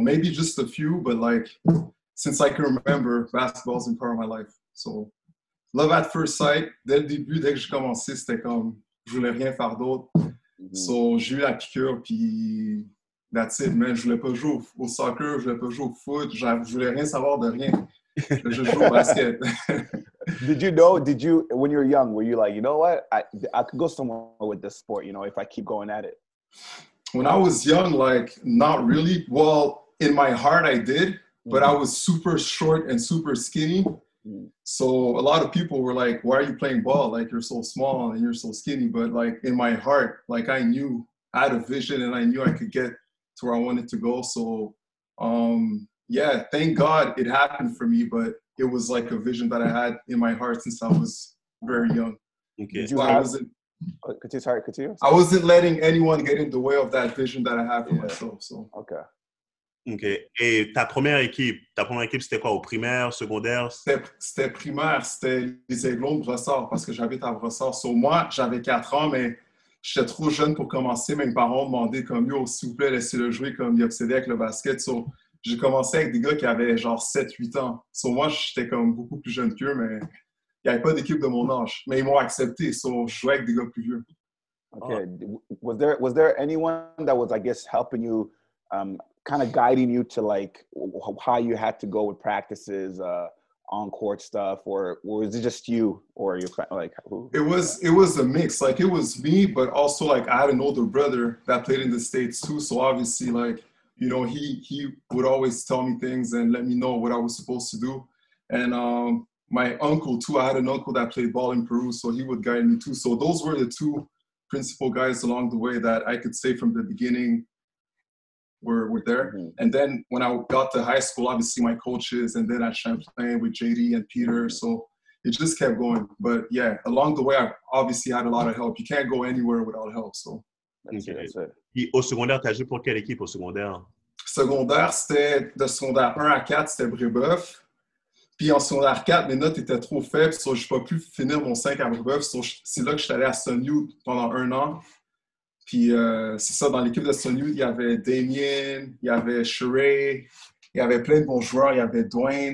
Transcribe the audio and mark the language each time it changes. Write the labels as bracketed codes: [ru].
[en] Maybe just a few, but like, since I can remember, basketball's been part of my life. So, love at first sight. [fr] Dès le début, dès que j'ai commencé, c'était comme, je voulais rien faire d'autre. So, j'ai eu la piqûre, puis [en] that's it, man. [fr] Je voulais pas jouer au soccer, je voulais pas jouer au foot, je voulais rien savoir de rien. Je joue au basket. [en] Did you, when you were young, were you like, you know what, I could go somewhere with this sport, you know, if I keep going at it? When I was young, like, not really. Well, in my heart, I did, but I was super short and super skinny. So a lot of people were like, why are you playing ball? Like, you're so small and you're so skinny. But like, in my heart, like, I knew I had a vision and I knew I could get to where I wanted to go. So, yeah, thank God it happened for me, but it was like a vision that I had in my heart since I was very young. Okay. Continue. I wasn't letting anyone get in the way of that vision that I had for myself. So. Okay. [fr] Et ta première équipe, c'était quoi, au primaire, secondaire? C'était primaire, c'était les Aiglons de Brossard, parce que j'habite à Brossard. So, moi, j'avais 4 ans, mais j'étais trop jeune pour commencer. Mes parents demandaient comme, yo, s'il vous plaît, laissez-le jouer, comme il obsédait avec le basket. So, j'ai commencé avec des gars qui avaient genre 7-8 ans. So, moi, j'étais comme beaucoup plus jeune qu'eux, mais il n'y avait pas d'équipe de mon âge. Mais ils m'ont accepté. So, je jouais avec des gars plus vieux. [en] OK. Was there anyone that was, I guess, helping you, kind of guiding you to, like, how you had to go with practices, on-court stuff, or was it just you or your friend? Like, who? It was a mix. Like, it was me, but also, like, I had an older brother that played in the States, too. So, obviously, like, you know, he would always tell me things and let me know what I was supposed to do. And my uncle, too, I had an uncle that played ball in Peru, so he would guide me, too. So those were the two principal guys along the way that I could say from the beginning were there. Mm-hmm. And then when I got to high school, obviously my coaches, and then at Champlain with JD and Peter. So it just kept going. But, yeah, along the way, I obviously had a lot of help. You can't go anywhere without help, so. [fr] Puis au secondaire, t'as joué pour quelle équipe au secondaire? Secondaire, c'était de secondaire 1 à 4, c'était Brébeuf. Puis en secondaire 4, mes notes étaient trop faibles, so j'ai pas pu finir mon 5 à Brébeuf. So c'est là que je suis allé à Sunnyvale pendant un an. Puis c'est ça, dans l'équipe de Sunnyvale, il y avait Damien, il y avait Sheree, il y avait plein de bons joueurs, il y avait Dwayne.